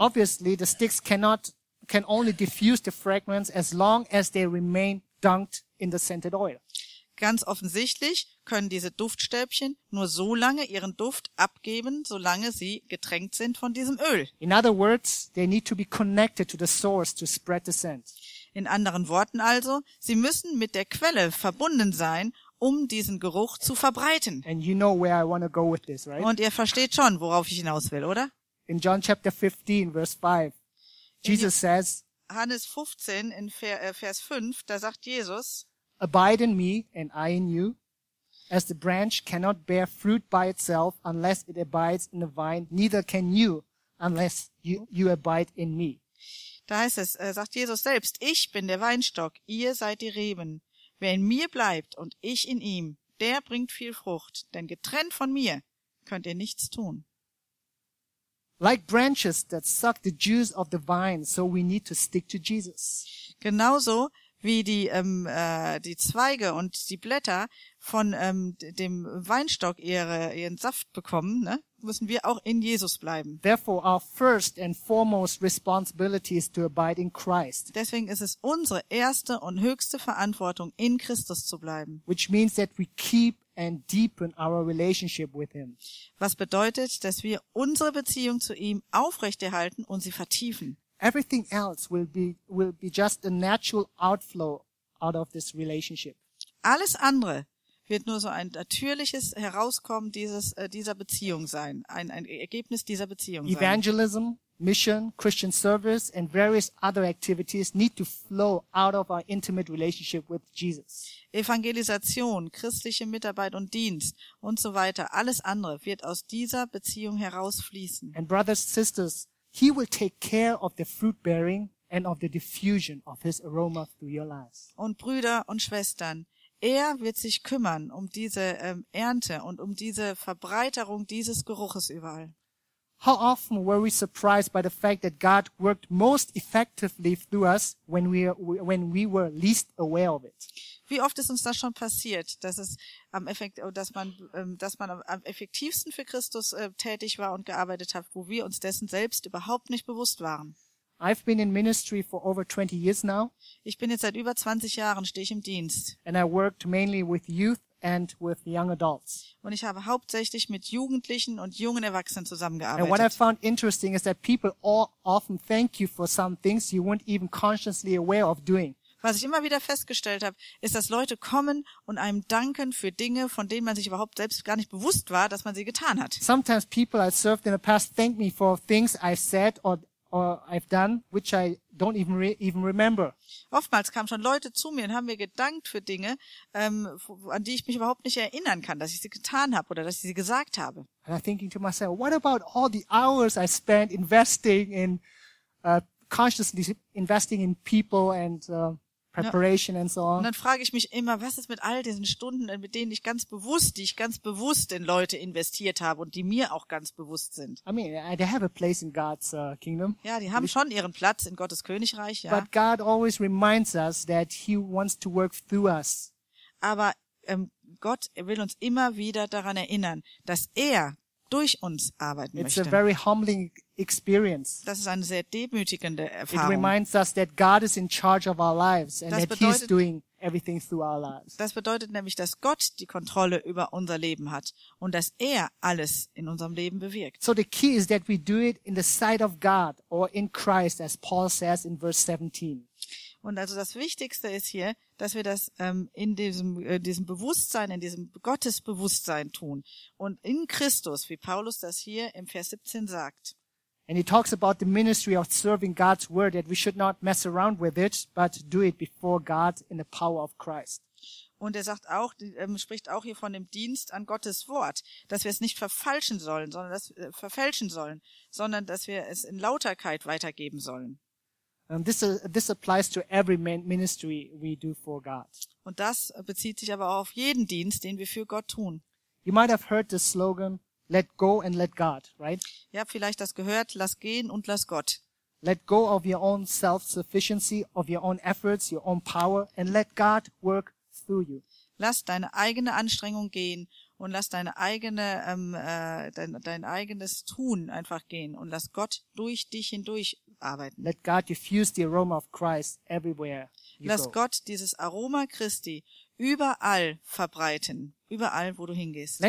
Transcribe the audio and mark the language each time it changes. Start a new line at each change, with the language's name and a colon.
English: Obviously, the sticks can only diffuse the fragrance as long as they remain dunked in the scented oil.
German: Ganz offensichtlich können diese Duftstäbchen nur so lange ihren Duft abgeben, solange sie getränkt sind von diesem Öl.
English: In other words, they need to be connected to the source to spread the scent.
German: In anderen Worten also, sie müssen mit der Quelle verbunden sein, um diesen Geruch zu verbreiten.
English: And you know where I want to go with this, right?
German: Und ihr versteht schon, worauf ich hinaus will, oder?
English: In John chapter 15, verse 5, Jesus says,
German: Johannes 15, in Vers 5, da sagt Jesus,
English: abide in me and I in you, as the branch cannot bear fruit by itself unless it abides in the vine, neither can you unless you abide in me.
German: Da heißt es, sagt Jesus selbst, ich bin der Weinstock, ihr seid die Reben. Wer in mir bleibt und ich in ihm, der bringt viel Frucht, denn getrennt von mir könnt ihr nichts tun.
English: Like branches that suck the juice of the vine, so we need to stick to Jesus.
German: Genauso wie die die Zweige und die Blätter von dem Weinstock ihren Saft bekommen, ne, müssen wir auch in Jesus bleiben.
English: Therefore, our first and foremost responsibility is to abide in Christ.
German: Deswegen ist es unsere erste und höchste Verantwortung, in Christus zu bleiben.
English: Which means that we keep and deepen our relationship with Him.
German: Was bedeutet, dass wir unsere Beziehung zu ihm aufrechterhalten und sie vertiefen.
English: Everything else will be just a natural outflow out of this relationship.
German: Alles andere wird nur so ein natürliches Herauskommen dieser Beziehung sein, ein Ergebnis dieser Beziehung sein.
English: Evangelism, mission, Christian service and various other activities need to flow out of our intimate relationship with Jesus.
German: Evangelisation, christliche Mitarbeit und Dienst und so weiter, alles andere wird aus dieser Beziehung herausfließen.
English: And brothers, sisters, He will take care of the fruit bearing and of the diffusion of His aroma through your lives.
German: Und Brüder und Schwestern, wird sich kümmern um diese Ernte und um diese Verbreiterung dieses Geruches überall.
English: How often were we surprised by the fact that God worked most effectively through us when we were least aware of it?
German: Wie oft ist uns das schon passiert, dass man am effektivsten für Christus tätig war und gearbeitet hat, wo wir uns dessen selbst überhaupt nicht bewusst waren?
English: I've been in ministry for over 20 years now.
German: Ich bin jetzt seit über 20 Jahren stehe ich im Dienst.
English: And I worked mainly with youth and with young adults.
German: Und ich habe hauptsächlich mit Jugendlichen und jungen Erwachsenen zusammengearbeitet.
English: And what I found interesting is that people all often thank you for some things you weren't even consciously aware of doing.
German: Was ich immer wieder festgestellt habe, ist, dass Leute kommen und einem danken für Dinge, von denen man sich überhaupt selbst gar nicht bewusst war, dass man sie getan hat.
English: Sometimes people I served in the past thank me for things I said or I've done, which I don't even remember.
German: Oftmals kamen schon Leute zu mir und haben mir gedankt für Dinge, an die ich mich überhaupt nicht erinnern kann, dass ich sie getan habe oder dass ich sie gesagt habe.
English: And I'm thinking to myself, what about all the hours I spent investing in people and preparation and so on.
German: Und dann frage ich mich immer, was ist mit all diesen Stunden, mit denen ich ganz bewusst, die ich ganz bewusst in Leute investiert habe und die mir auch ganz bewusst sind.
English: I mean, they have a place in God's kingdom.
German: Ja, die haben schon ihren Platz in Gottes Königreich, ja.
English: But God always reminds us that He wants to work through us.
German: Aber Gott will uns immer wieder daran erinnern, dass er durch uns arbeiten möchte.
English: It's a very humbling experience.
German: Das ist eine sehr demütigende Erfahrung.
English: It reminds us that God is in charge of our lives and that He's doing everything through our lives.
German: Das bedeutet nämlich, dass Gott die Kontrolle über unser Leben hat und dass alles in unserem Leben bewirkt.
English: So the key is that we do it in the sight of God or in Christ, as Paul says in verse 17.
German: Und also das Wichtigste ist hier, dass wir das in diesem Bewusstsein, in diesem Gottesbewusstsein tun und in Christus, wie Paulus das hier im Vers 17 sagt.
English: And he talks about the ministry of serving God's word, that we should not mess around with it, but do it before God in the power of Christ.
German: Und spricht auch hier von dem Dienst an Gottes Wort, dass wir es nicht verfälschen sollen, sondern dass wir es in Lauterkeit weitergeben sollen.
English: This applies to every ministry we do for God.
German: Und das bezieht sich aber auch auf jeden Dienst, den wir für Gott tun.
English: You might have heard the slogan, let go and let God, right?
German: Ihr habt vielleicht das gehört, lass gehen und lass Gott.
English: Let go of your own self-sufficiency, of your own efforts, your own power, and let God work through you.
German: Lass deine eigene Anstrengung gehen und lass deine eigene, dein eigenes Tun einfach gehen und lass Gott durch dich hindurch arbeiten.
English: Let God diffuse the aroma of Christ everywhere.
German: Lass Gott dieses Aroma Christi überall verbreiten, überall, wo du hingehst.